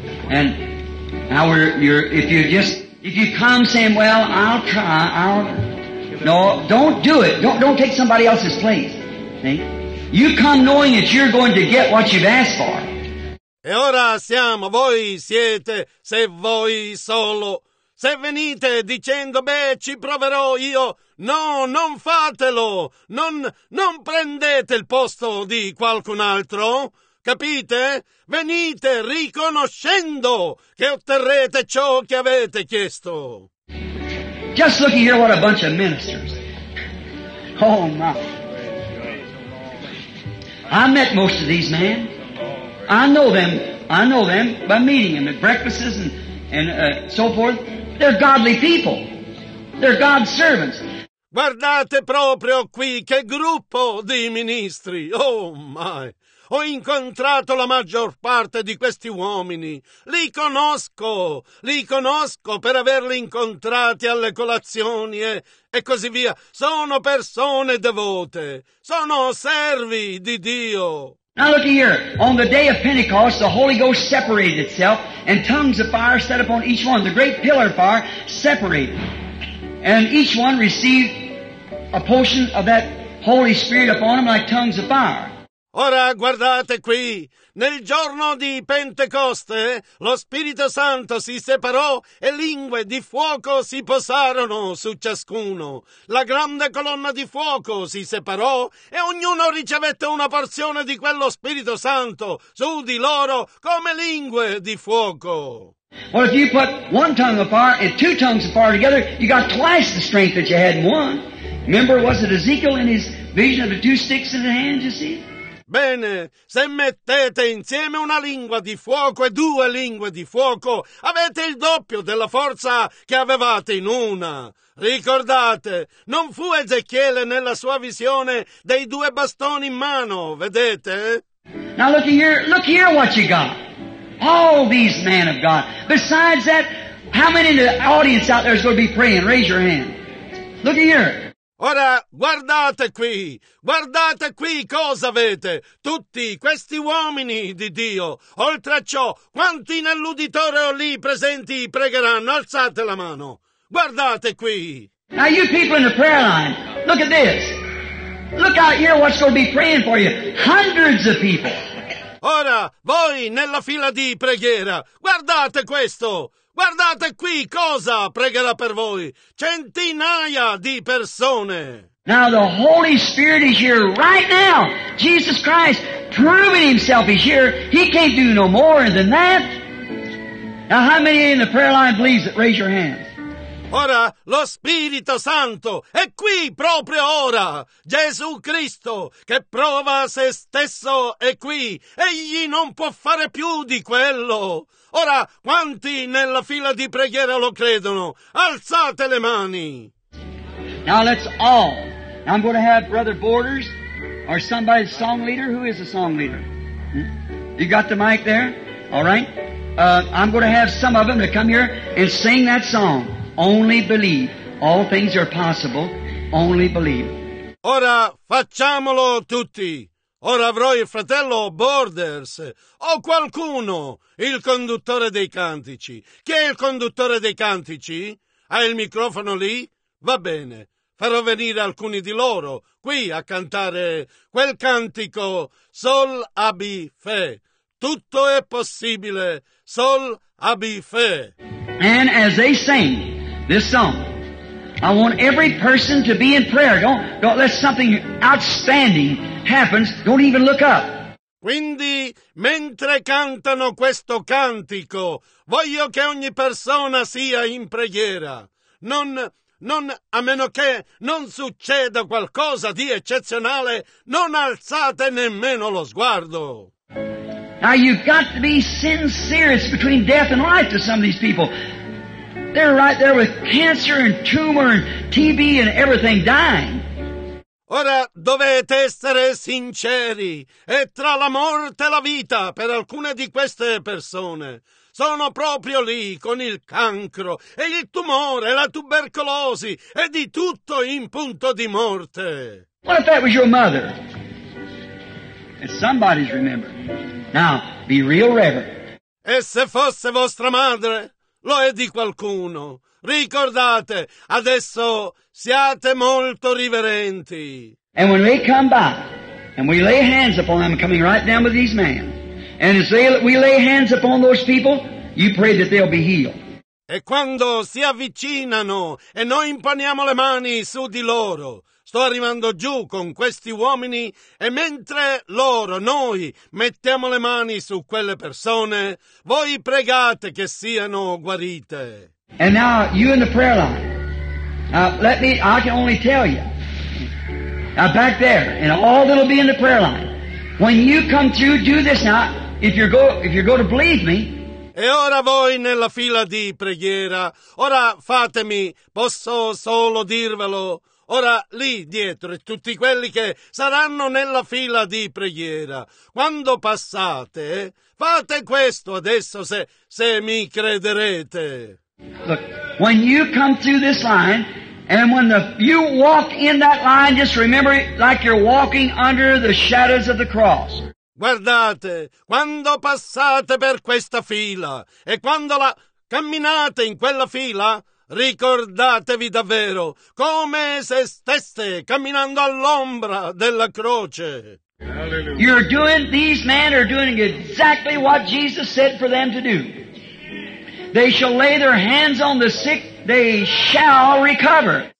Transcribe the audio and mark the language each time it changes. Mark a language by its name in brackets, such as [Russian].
[English] And now if you come saying, well, I'll try, I'll... No, don't do it. Don't take somebody else's place. See? You come knowing that you're going to get what you've asked for. [Italian] E ora siamo, voi siete, se voi solo. Se venite dicendo, beh, ci proverò io, no, non fatelo, non prendete il posto di qualcun altro, capite? Venite riconoscendo che otterrete ciò che avete chiesto. [English] Just looky here, what a bunch of ministers. Oh, my. I met most of these men. I know them. I know them by meeting them at breakfasts and so forth. They're godly people. They're God's servants. [Italian] Guardate proprio qui che gruppo di ministri. [English] Oh, my. [Italian] Ho incontrato la maggior parte di questi uomini. Li conosco per averli incontrati alle colazioni e così via. Sono persone devote. Sono servi di Dio. [English] Now look here. On the day of Pentecost, the Holy Ghost separated itself, and tongues of fire set upon each one. The great pillar of fire separated. And each one received a portion of that Holy Spirit upon him like tongues of fire. [Italian] Ora guardate qui, nel giorno di Pentecoste, lo Spirito Santo si separò e lingue di fuoco si posarono su ciascuno. La grande colonna di fuoco si separò e ognuno ricevette una porzione di quello Spirito Santo su di loro come lingue di fuoco. [English] Well, if you put one tongue of fire and two tongues of fire together, you got twice the strength that you had in one. Remember, was it Ezekiel in his vision of the two sticks in the hand, you see? [Italian] Bene, se mettete insieme una lingua di fuoco e due lingue di fuoco, avete il doppio della forza che avevate in una. Ricordate, non fu Ezechiele nella sua visione dei due bastoni in mano, vedete? [English] Now look here what you got. All these men of God. Besides that, how many in the audience out there is going to be praying? Raise your hand. Look here. [Italian] Ora, guardate qui cosa avete, tutti questi uomini di Dio. Oltre a ciò, quanti nell'uditorio lì presenti pregheranno? Alzate la mano. Guardate qui. [English] Now you people in the prayer line, look at this. Look out here what's going to be praying for you. Hundreds of people. [Italian] Ora, voi nella fila di preghiera, guardate questo. Guardate qui cosa pregherà per voi. Centinaia di persone. [English] Now the Holy Spirit is here right now. Jesus Christ proving himself is here. He can't do no more than that. Now how many in the prayer line please raise your hands? [Italian] Ora lo Spirito Santo è qui proprio ora. Gesù Cristo che prova se stesso è qui. Egli non può fare più di quello. Ora, quanti nella fila di preghiera lo credono? Alzate le mani! [English] Now let's all. I'm going to have Brother Borders or somebody's song leader. Who is a song leader? You got the mic there? All right. I'm going to have some of them to come here and sing that song. Only believe. All things are possible. Only believe. [Italian] Ora, facciamolo tutti. Ora avrò il fratello Borders o qualcuno, il conduttore dei cantici. Chi è il conduttore dei cantici? Ha il microfono lì? Va bene. Farò venire alcuni di loro qui a cantare quel cantico Sol Abi Fe. Tutto è possibile. Sol Abi Fe. [English] And as they sing this song, I want every person to be in prayer. Don't let something outstanding happens. Don't even look up. [Italian] Quindi, mentre cantano questo cantico, voglio che ogni persona sia in preghiera. Non a meno che non succeda qualcosa di eccezionale, non alzate nemmeno lo sguardo. [English] Now you've got to be sincere. It's between death and life to some of these people. They're right there with cancer and tumor and TB and everything dying. [Italian] Ora dovete essere sinceri. È tra la morte e la vita per alcune di queste persone. Sono proprio lì con il cancro e il tumore e la tubercolosi e di tutto in punto di morte. [English] What if that was your mother? And somebody's remembered. Now, be real reverent. [Italian] E se fosse vostra madre? Lo è di qualcuno. Ricordate, adesso siate molto riverenti. [English] And when they come by, and we lay hands upon them, coming right down with these men, and as we lay hands upon those people, you pray that they'll be healed. [Italian] E quando si avvicinano e noi imponiamo le mani su di loro, sto arrivando giù con questi uomini, e mentre loro, noi, mettiamo le mani su quelle persone, voi pregate che siano guarite. [English] And now, you in the prayer line, I can only tell you. Now back there, and all that'll be in the prayer line. When you come through, do this now. If you go to believe me. [Italian] E ora voi nella fila di preghiera, ora fatemi, posso solo dirvelo, ora lì dietro e tutti quelli che saranno nella fila di preghiera, quando passate, fate questo adesso se mi crederete. [English] Look, when you come through this line, and when you walk in that line, just remember it like you're walking under the shadows of the cross. [Italian] Guardate, quando passate per questa fila e quando la camminate in quella fila, ricordatevi davvero come se steste camminando all'ombra della croce. [English] Alleluia. You're doing, these men are doing exactly what Jesus said for them to do. They shall lay their hands on the sick, they shall recover.